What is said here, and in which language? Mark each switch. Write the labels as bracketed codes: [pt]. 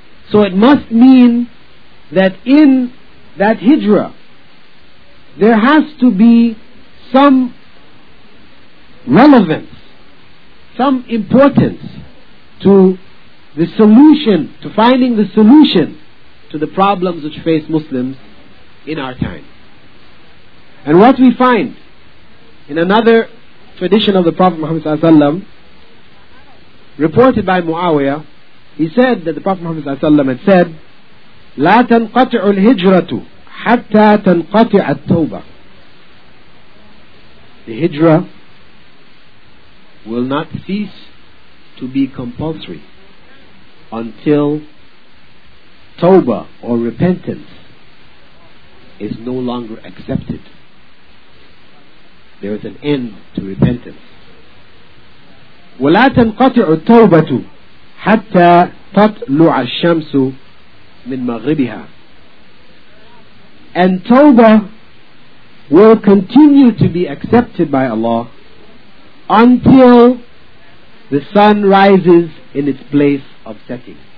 [en] So it must mean that in that hijrah there has to be some relevance, some importance to the solution, to finding the solution to the problems which face Muslims in our time. And what we find in another tradition of the Prophet Muhammad ﷺ, reported by Muawiyah, he said that the Prophet Muhammad ﷺ had said, [ar] لا تنقطع الهجرة حتى تنقطع التوبة. [en] The hijrah will not cease to be compulsory until tawbah or repentance is no longer accepted. There is an end to repentance. [ar] ولا تنقطع التوبة حتى تطلع الشمس من مغربها. [en] And tawbah will continue to be accepted by Allah until the sun rises in its place of setting.